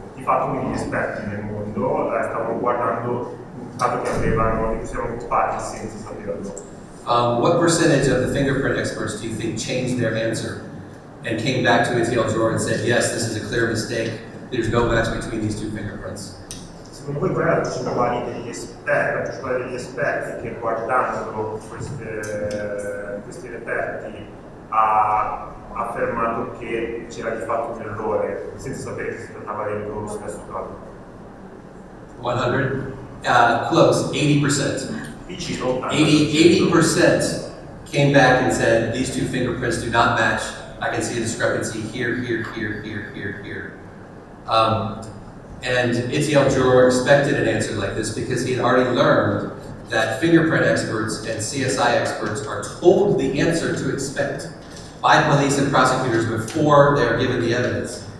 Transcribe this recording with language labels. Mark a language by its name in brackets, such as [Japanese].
[Italian] Di fatto quindi gli esperti nel mondo stavano guardando un caso che avevano di cui si erano occupati senza saperlo. [English] What percentage of the fingerprint experts do you think changed their answer and came back to Itiel Dror and said, "Yes, this is a clear mistake, there's no match between these two fingerprints"? [Italian] Secondo voi qual è la percentuale degli esperti che guardando questi reperti ha affermato che c'era di fatto un errore senza sapere che si trattava del loro stesso caso? [English] 100? Close, 80%. [Italian] Vicino, [English] 80% came back and said, "These two fingerprints do not match. I can see a discrepancy here, here, here, here, here, here." And Itiel Dror expected an answer like this because he had already learned that fingerprint experts and CSI experts are told the answer to expect by police and prosecutors before they are given the evidence.